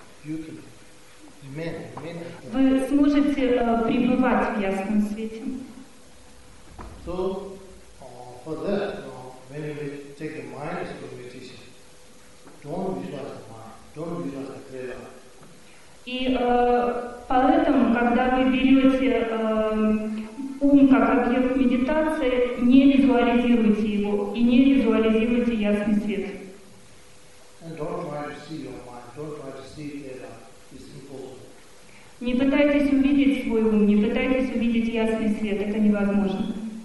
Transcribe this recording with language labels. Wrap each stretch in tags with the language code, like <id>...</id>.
<ru>Вы сможете пребывать в ясном свете.</ru> <en>So, for that, when you take the mind as a meditation, don't visualize the mind, don't visualize the clear eye.</en> <ru>И поэтому, когда вы берете ум как объект медитации, не визуализируйте его и не визуализируйте ясный свет.</ru> <en>And don't try to see your mind, don't try to see clear eye. It's impossible.</en> <ru>Не пытайтесь увидеть свой ум, не пытайтесь увидеть ясный свет, это невозможно.</ru>